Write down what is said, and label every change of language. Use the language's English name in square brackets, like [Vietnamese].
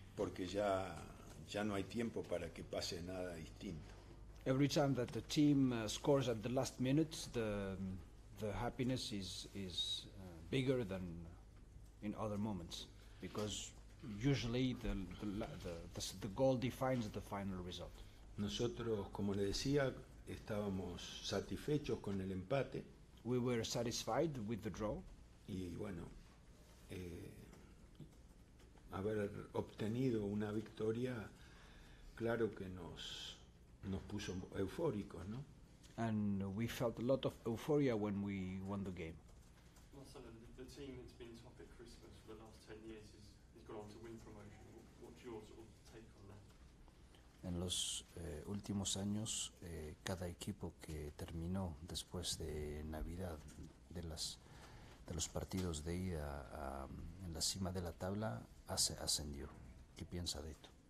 [Spanish] Porque ya no hay tiempo para que pase nada distinto. [English] Every time that the team scores at the last minute, the happiness is bigger than in other moments, because usually the goal defines the final result. [Spanish] Nosotros, como le decía, estábamos satisfechos con el empate. [English] We were satisfied with the draw. [Spanish] Y bueno, haber obtenido una victoria, claro que nos puso eufóricos, ¿no? [English] And we felt a lot of euphoria when we won the game. Marcelo, the team that's been top at Christmas for the last 10 years has gone on to win promotion. What's your sort of take on that? [Spanish] En los últimos años, cada equipo que terminó después de Navidad de los partidos de ida en la cima de la tabla ascendió. ¿Qué piensa de esto?